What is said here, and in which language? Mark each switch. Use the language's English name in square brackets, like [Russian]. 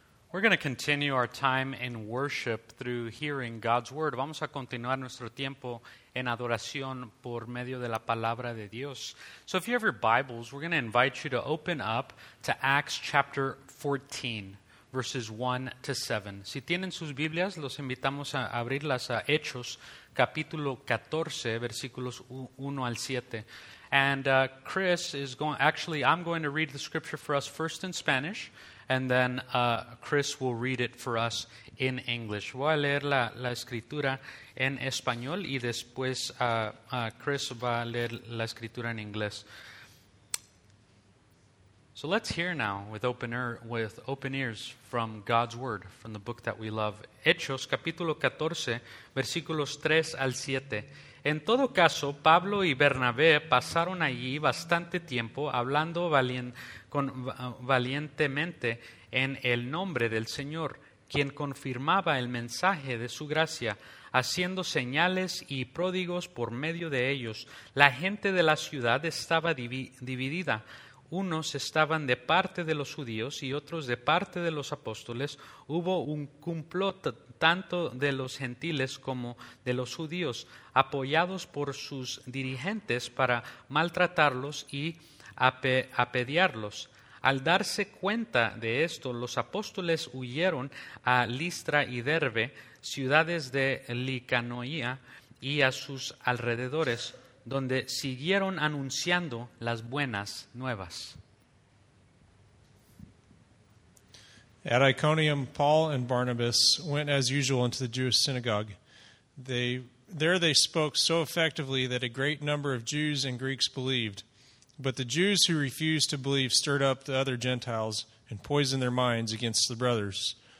[English] We're going to continue our time in worship through hearing God's word. [Spanish] Vamos a continuar nuestro tiempo en adoración por medio de la palabra de Dios. [English] So if you have your Bibles, we're going to invite you to open up to Acts chapter 14, verses 1 to 7. [Spanish] Si tienen sus Biblias, los invitamos a abrirlas a Hechos, capítulo 14, versículos 1 al 7. [English] And Chris is going, actually, I'm going to read the scripture for us first in Spanish, and then Chris will read it for us in English. [Spanish] Voy a leer la escritura en español y después Chris va a leer la escritura en inglés. [English] So let's hear now with open ears from God's word, from the book that we love. [Spanish] Hechos, capítulo 14, versículos 3 al 7. En todo caso, Pablo y Bernabé pasaron allí bastante tiempo hablando valientemente en el nombre del Señor, quien confirmaba el mensaje de su gracia, haciendo señales y pródigos por medio de ellos. La gente de la ciudad estaba dividida. Unos estaban de parte de los judíos y otros de parte de los apóstoles. Hubo un complot tanto de los gentiles como de los judíos, apoyados por sus dirigentes para maltratarlos y apedrearlos. Al darse cuenta de esto, los apóstoles huyeron a Listra y Derbe, ciudades de Licaonia y a sus alrededores, donde siguieron anunciando las buenas nuevas. [English] At Iconium, Paul and Barnabas went as usual into the Jewish synagogue. There they spoke so effectively that a great number of Jews and Greeks believed. But the Jews who refused to believe stirred up the other Gentiles and poisoned their minds against the brothers.